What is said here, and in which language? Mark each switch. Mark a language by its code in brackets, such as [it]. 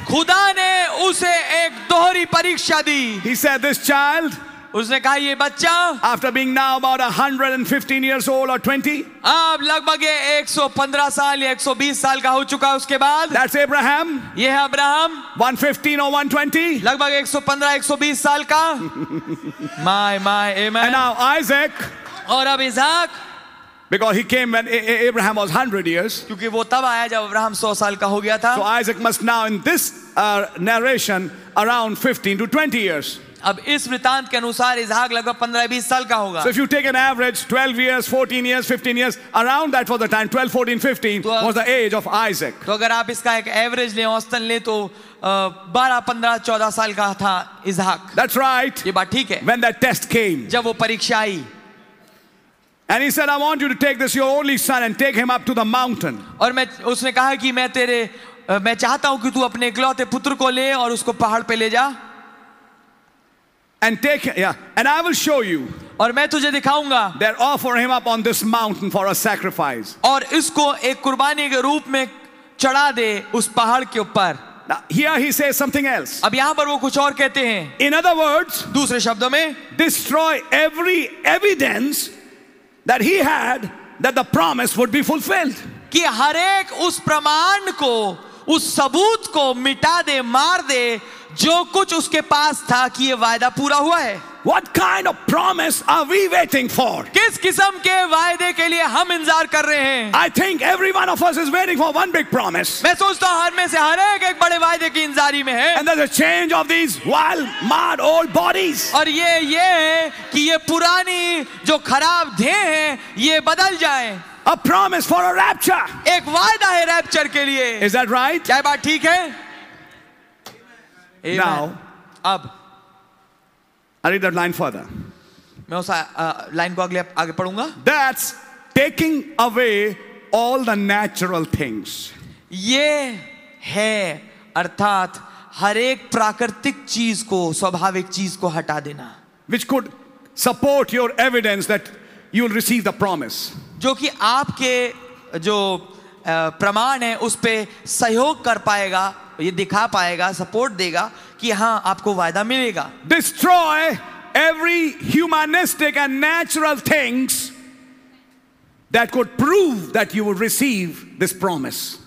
[hi] खुदा ने उसे एक दोहरी परीक्षा दी. [en] He said, "This child." [hi] उसने कहा ये बच्चा. [en] After being now about 115 years old or 20. [hi] अब लगभग 115 साल या 120 साल का हो चुका उसके बाद. [en] That's Abraham. [hi] ये है अब्राहम. [en] 115 or 120. [hi] लगभग 115 120 साल का. [en] My my amen. And now Isaac. [hi] और अब इसहाक. [en] Because he came when Abraham was 100 years. [hi] क्योंकि वो तब आया जब अब्राहम 100 साल का हो गया था. [en] So Isaac must now in this narration around 15 to 20 years. [hi] अब इस वृतांत के अनुसार इसहाक लगभग 15-20 साल का होगा. [en] So if you take an average 12 years, 14 years, 15 years, around that for the time 12, 14, 15 was the age of Isaac. [hi] तो अगर आप इसका एक एवरेज लें औसतन लें तो 12, 15, 14 साल का था इसहाक. [en] That's right. [hi] ये बात ठीक है. [en] When that test came. [hi] जब वो परीक्षा आई. [en] And he said, "I want you to take this your only son and take him up to the mountain." [hi] और मैं उसने कहा कि मैं तेरे मैं चाहता हूँ कि तू अपने इकलौते पुत्र को ले और उसको पहाड़ पे ले जा. [en] And take yeah, and I will show you. [hi] और मैं तुझे दिखाऊंगा. [en] They offer him up on this mountain for a sacrifice. [hi] और इसको एक कुर्बानी के रूप में चढ़ा दे उस पहाड़ के ऊपर. [en] Now, here he says something else. [hi] अब यहाँ पर वो कुछ और कहते हैं. [en] In other words, [hi] दूसरे शब्दों में, [en] destroy every evidence. That he had that the promise would be fulfilled. [hi] कि हर एक उस प्रमाण को उस सबूत को मिटा दे मार दे जो कुछ उसके पास था कि ये वायदा पूरा हुआ है. [en] What kind of promise are we waiting for? [hi] किस किस्म के वायदे के लिए हम इंतजार कर रहे हैं? [en] I think every one of us is waiting for one big promise. [hi] मैं सोचता हूँ हर में से हर एक एक बड़े वायदे की इंतजारी में है. [en] And there's a change of these wild, mad old bodies. [hi] और ये है कि ये पुरानी जो खराब देह हैं ये बदल जाएं. [en] A promise for a rapture. [hi] एक वायदा है रैप्चर के लिए. [en] Is that right? [hi] क्या बात ठीक है? [en] Amen. Now. [hi] अब. [en] I read that line further. [hi] मैं उस line को अगले आगे पढ़ूंगा. [en] That's taking away all the natural things. [hi] ये है अर्थात हर एक प्राकृतिक चीज को स्वाभाविक चीज को हटा देना. [en] Which could support your evidence that you will receive the promise. [hi] जो कि आपके जो प्रमाण है उस पे सहयोग कर पाएगा ये दिखा पाएगा सपोर्ट देगा कि हाँ आपको वायदा मिलेगा. [en] Destroy every humanistic and natural things that could prove that you would receive this promise.